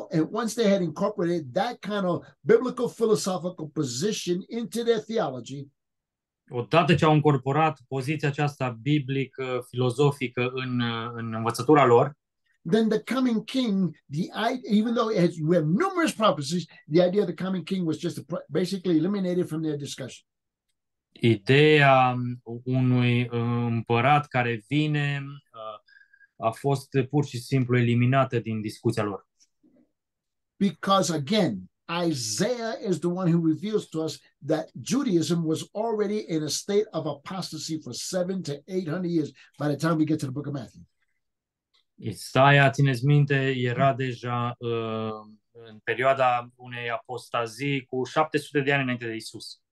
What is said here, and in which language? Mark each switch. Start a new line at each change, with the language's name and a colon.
English: Once they had incorporated that kind of biblical philosophical position into their theology,
Romanian: odată ce au incorporat poziția aceasta biblică filozofică în învățătura lor,
English: then the coming king, we have numerous prophecies, the idea of the coming king was just basically eliminated from their discussion.
Romanian: Ideea unui împărat care vine a fost pur și simplu eliminată din discuția lor.
English: Because again, Isaiah is the one who reveals to us that Judaism was already in a state of apostasy for 700 to 800 years by the time we get to the book of Matthew.
Romanian: Isaia, țineți minte, era deja în perioada unei apostazii cu 700 de ani înainte de Isus.